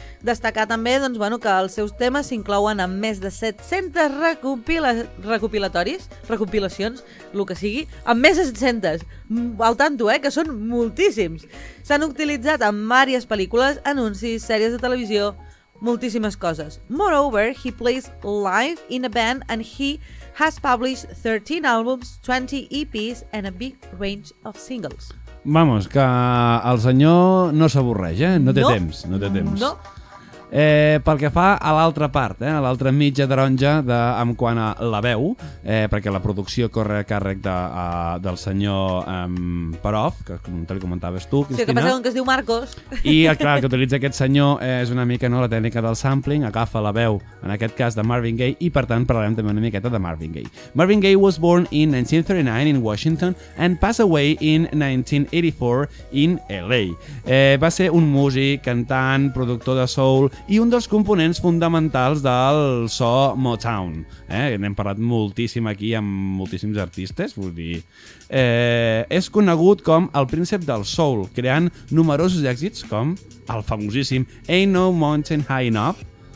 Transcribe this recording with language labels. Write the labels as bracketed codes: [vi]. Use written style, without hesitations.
[ca] Destacar també doncs, bueno, que els seus temes s'inclouen en més de 700 recopilacions, el que sigui, en més de 700, [es] al tanto, [ca] que són moltíssims. S'han utilitzat en diverses pel·lícules, anuncis, sèries de televisió, moltíssimes coses. [en] Moreover, he plays live in a band and he has published 13 albums, 20 EPs and a big range of singles. [ca] Vamos, que el senyor no s'avorreix, no té temps. No té temps. No. Pel que fa a l'altra part, a l'altra mitja taronja de, en quant a la veu, perquè la producció corre a càrrec del senyor Parov, que te li comentaves tu, Cristina. Sí, que passa que es diu Marcos. I clar, el que utilitza aquest senyor és una mica, no?, la tècnica del sampling, agafa la veu, en aquest cas, de Marvin Gaye, i per tant parlarem també una miqueta de Marvin Gaye. [en] Marvin Gaye was born in 1939 in Washington and passed away in 1984 in LA. [ca] Va ser un músic, cantant, productor de soul i un dels components fonamentals del so Motown. N'hem parlat moltíssim aquí amb moltíssims artistes, vull dir... és conegut com el príncep del soul, creant numerosos èxits com el famosíssim Ain't No Mountain High Enough.